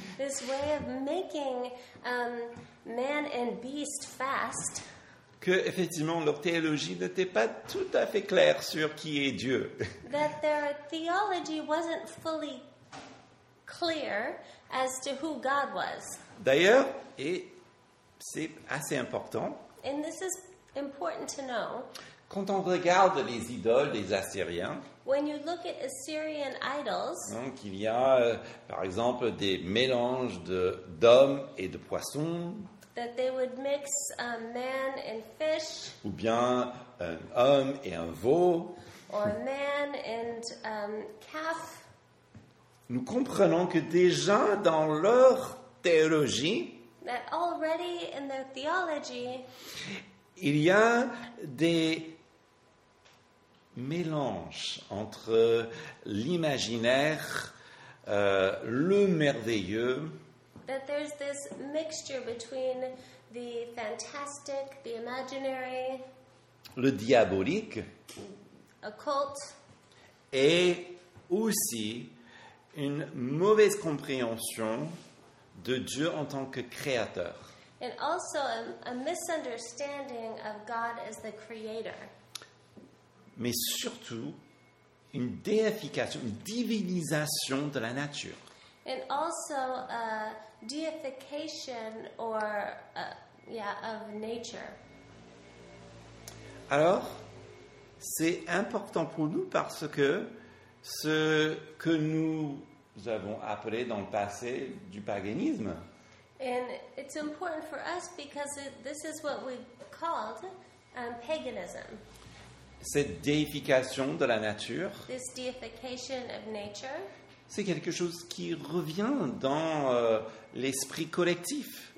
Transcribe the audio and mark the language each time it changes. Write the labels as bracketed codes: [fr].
[en] this way of making, man and beast fast, [fr] que effectivement leur théologie n'était pas tout à fait claire sur qui est Dieu. [en] That their theology wasn't fully clear as to who God was. [fr] D'ailleurs, et c'est assez important, [en] and this is important to know, [fr] quand on regarde les idoles des Assyriens, [en] when you look at Assyrian idols, [fr] donc il y a par exemple des mélanges d'hommes et de poissons, [en] that they would mix a man and fish, [fr] ou bien un homme et un veau, [en] or a man and calf. [fr] Nous comprenons que déjà dans leur théologie, [en] that already in their theology, [fr] il y a des mélanges entre l'imaginaire, le merveilleux, [en] that there's this mixture between the fantastic, the imaginary, [fr] le diabolique, [en] occult, [fr] et aussi une mauvaise compréhension de Dieu en tant que créateur. [en] And also a misunderstanding of God as the creator. [fr] Mais surtout une déification, une divinisation de la nature. [en] And also a deification or of nature. [fr] Alors, c'est important pour nous parce que ce que nous avons appelé dans le passé du paganisme. [en] And it's important for us because this is what we called paganism. [fr] Cette déification de la nature. [en] This deification of nature. [fr] C'est quelque chose qui revient dans l'esprit collectif.